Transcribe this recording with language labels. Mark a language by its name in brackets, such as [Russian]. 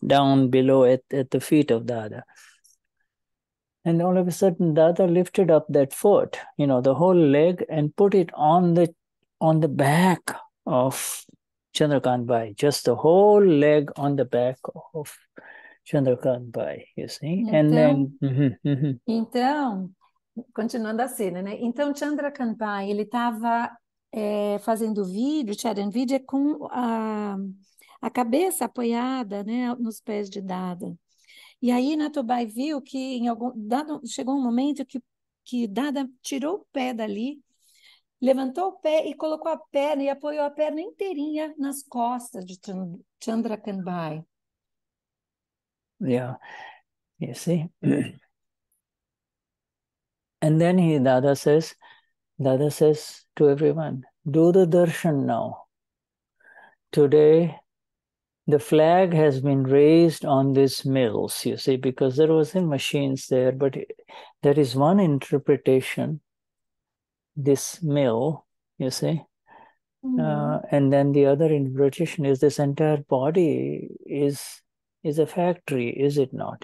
[English] Down below at the feet of Dada. And all of a sudden Dada lifted up that foot, you know, the whole leg, and put it on the back of Chandrakant Bhai, just the whole leg on the back of Chandrakant Bhai, you see? And [Portuguese] então, [English] then [Portuguese] continuando a cena, né? Então Chandrakant Bhai, ele estava fazendo vídeo, Charan Vidhi, com a cabeça apoiada, né, nos pés de Dada. E aí Natubai viu que chegou um momento que Dada tirou o pé dali, levantou o pé e colocou a perna e apoiou a perna inteirinha nas costas de Chandrakant Bhai. [English] Yeah, you see. And then Dada says to everyone, do the darshan now. Today The flag has been raised on these mills, you see, because there wasn't machines there, but there is one interpretation, this mill, you see, and then the other interpretation is this entire body is a factory, is it not?